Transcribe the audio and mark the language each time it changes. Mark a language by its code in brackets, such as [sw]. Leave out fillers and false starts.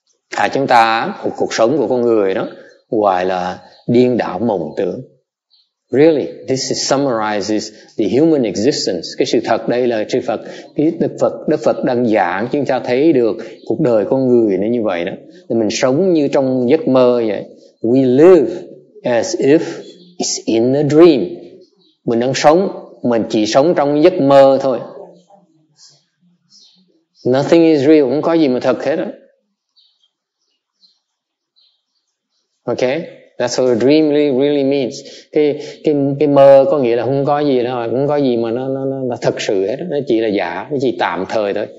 [vi] À, chúng ta cuộc sống của con người đó gọi là điên đảo mộng tưởng. [en] Really, this is summarizes the human existence. [vi] Cái sự thật đây là chư Phật, Đức Phật đang giảng, chúng ta thấy được cuộc đời con người nó như vậy đó. Thì mình sống như trong giấc mơ vậy. [en] We live as if it's in a dream. [vi] Mình đang sống, mình chỉ sống trong giấc mơ thôi. [en] Nothing is real, [vi] không có gì mà thật hết đó. [en] Okay? That's what a dream really means. [vi] Cái mơ có nghĩa là không có gì đâu, không có gì mà nó thật sự hết, nó chỉ là giả, nó chỉ tạm thời thôi.